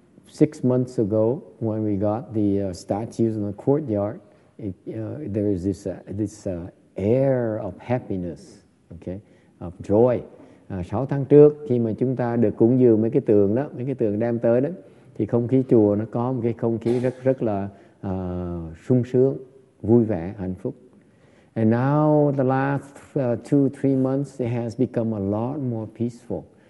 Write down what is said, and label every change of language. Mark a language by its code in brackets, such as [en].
[en] 6 months ago, when we got the statues in the courtyard, there is this air of happiness, okay, of joy. [vi] 6 tháng trước khi mà chúng ta được cúng dường mấy cái tượng đó, mấy cái tượng đem tới đó, thì không khí chùa nó có một cái không khí rất rất là sung sướng, vui vẻ, hạnh phúc. [en] And now the last 2-3 months it has become a lot more peaceful.